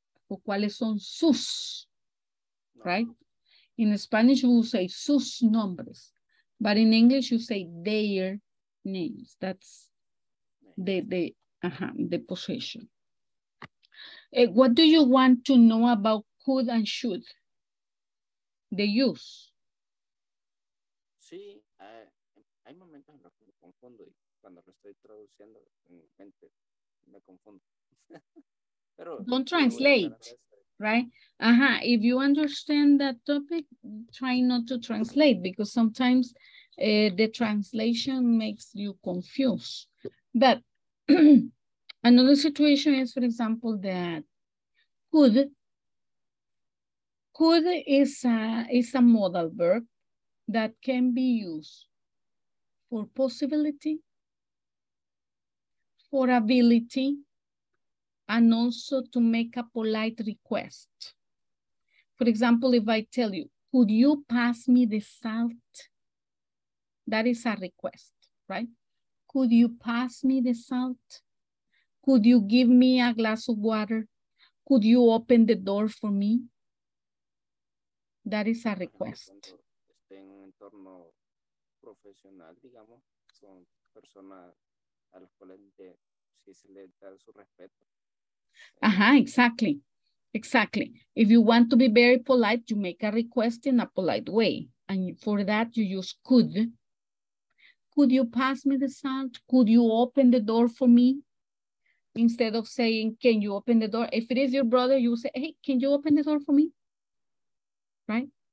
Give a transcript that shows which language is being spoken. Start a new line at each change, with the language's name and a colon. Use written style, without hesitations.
English: ¿O cuáles son sus? Right? In Spanish, we will say sus nombres. But in English, you say their names. That's the possession. What do you want to know about could and should? The use.
Spanish: Sí, hay momentos en los que me confundo y cuando lo estoy traduciendo en mente me confundo. Pero
English: don't translate, right? Ajá. If you understand that topic, try not to translate because sometimes the translation makes you confused. But another situation is, for example, that could is a modal verb that can be used for possibility, for ability, and also to make a polite request. For example, if I tell you, could you pass me the salt? That is a request, right? Could you pass me the salt? Could you give me a glass of water? Could you open the door for me? That is a request.
Spanish: Estoy en un entorno profesional, digamos, con personas a las cuales si se le da su respeto.
English: Ajá, exactly. Exactly. If you want to be very polite, you make a request in a polite way. And for that, you use could. Could you pass me the salt? Could you open the door for me? Instead of saying, can you open the door? If it is your brother, you say, hey, can you open the door for me? Right?